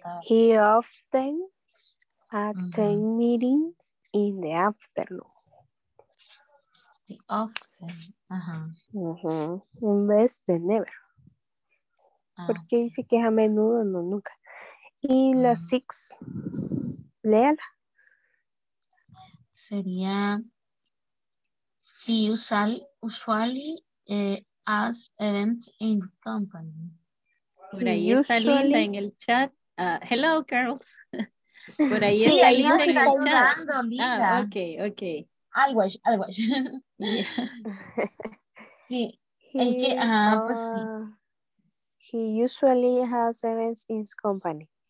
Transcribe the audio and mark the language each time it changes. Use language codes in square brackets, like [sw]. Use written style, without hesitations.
[en] He often attend meetings in the afternoon. The often, [es] En vez de never. Porque dice que es a menudo, no nunca. Y la six, léala. [en] Sería, he usually has events in the company. [es] Por ahí usually está Linda en el chat. [en] Hello, girls. [es] Por ahí sí, está ahí Linda nos en está el chat. Ayudando, Linda. [en] Ah, okay, okay. I'll watch. [es] Sí, es que, pues sí. [en] He usually has events in his company.